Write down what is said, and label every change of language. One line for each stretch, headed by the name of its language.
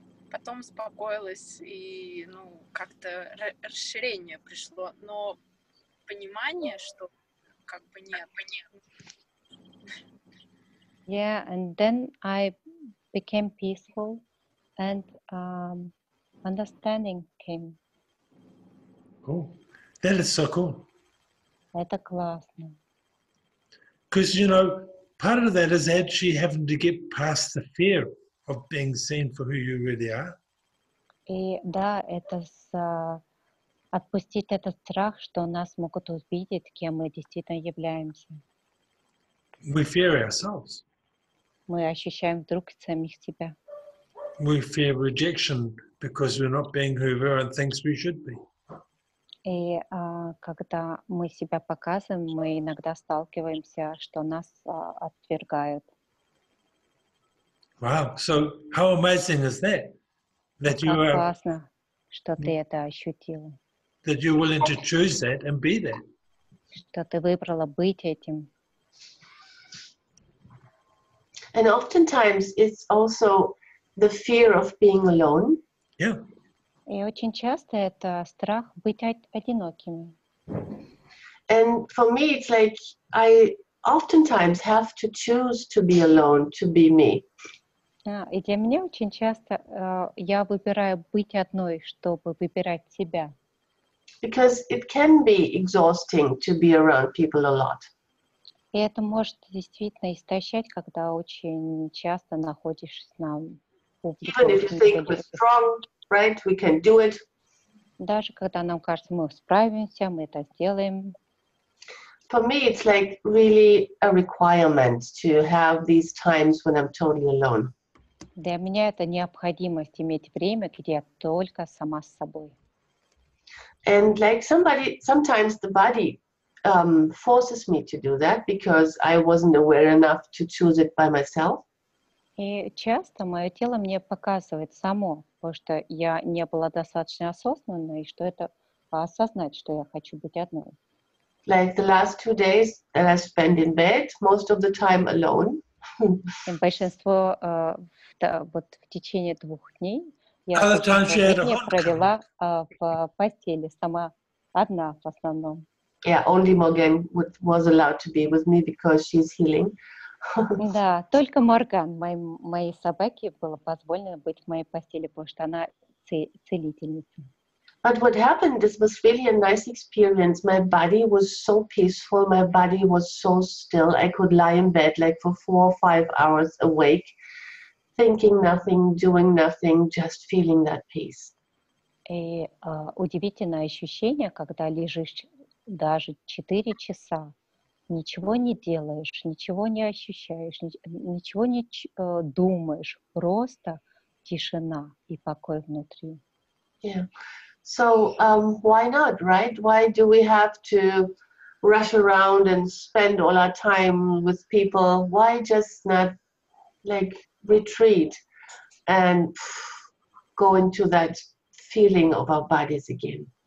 Russian: Потом успокоилась, и, ну, как-то расширение пришло. Но понимание, что как бы нет.
English: Yeah, and then I became peaceful, and understanding came. Cool. That is so cool.
Russian: Это классно.
English: Because you know, part of that is actually having to get past the fear of being seen for who you really are.
Russian: И да, это с отпустить этот страх, что нас могут увидеть, кем мы действительно являемся.
English: We fear ourselves.
Russian: Мы ощущаем вдруг самих себя.
English: We fear rejection because we're not being who everyone thinks we should be.
Russian: И когда мы себя показываем, мы иногда сталкиваемся, что нас отвергают.
English: Wow. So how amazing is that? That you are.
Russian: Классно, что ты это ощутила.
English: That you're willing to choose that and be that.
Russian: Что ты выбрала быть этим.
English: And oftentimes it's also the fear of being alone. Yeah.
Russian: И очень часто это страх быть одиноким.
English: And for me, it's like I oftentimes have to choose to be alone, to be me.
Russian: И для меня очень часто я выбираю быть одной, чтобы выбирать себя.
English: Because it can be exhausting to be around people a lot.
Russian: И это может действительно истощать, когда очень часто находишься на публике.
English: Even if you think we're strong, right, we can do it.
Russian: Даже когда нам кажется, мы справимся, мы это сделаем.
English: For me, it's like really a requirement to have these times when I'm totally alone.
Russian: Для меня это необходимость иметь время, где я только сама с собой.
English: And like somebody, sometimes the body forces me to do that because I wasn't aware enough to choose it by myself.
Russian: И часто мое тело мне показывает само, потому что я не была достаточно осознанной, что это осознать, что я хочу быть одной.
English: Like the last 2 days that I spent in bed, most of the time alone.
Russian: Большинство вот в течение 2 дней я провела в постели сама одна в основном.
English: Yeah, only Morgan was allowed to be with me because she's healing.
Russian: Да, только Морган, моей собаке, было позволено быть в моей постели, потому что она целительница.
English: But what happened, this was really a nice experience. My body was so peaceful, my body was so still. I could lie in bed like for 4 or 5 hours awake, thinking nothing, doing nothing, just feeling that peace.
Russian: И удивительное ощущение, когда лежишь даже 4 часа, ничего не делаешь, ничего не ощущаешь, ничего не думаешь, просто тишина и покой внутри.
English: Yeah. So why not, right? Why do we have to rush around and spend all our time with people? Why just not like retreat and go into that feeling of our bodies again?